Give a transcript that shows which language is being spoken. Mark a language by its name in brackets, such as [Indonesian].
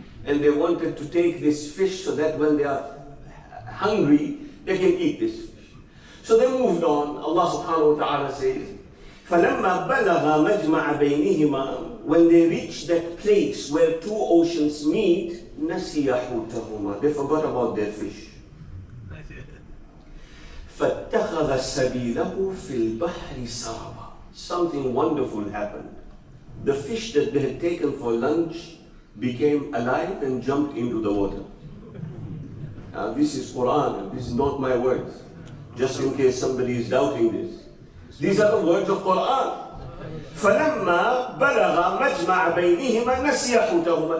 [English] And they wanted to take this fish so that when they are hungry, they can eat this. So they moved on. Allah subhanahu wa ta'ala says, [Arabic] فَلَمَّا بَلَغَ مَجْمَعَ بَيْنِهِمَا. [English] When they reached that place where two oceans meet, [Arabic] نَسِيَ حُوتَهُمَا. [English] They forgot about their fish. [Arabic] اتخذ سبيله في البحر سربا. [English] Something wonderful happened. The fish that they had taken for lunch became alive and jumped into the water. Now this is Quran, this is not my words. Just in case somebody is doubting this. These are the words of Quran. [Arabic] فَلَمَّا بَلَغَ مَجْمَعَ بَيْنِهِمَا نَسِيَ حُوتَهُمَا.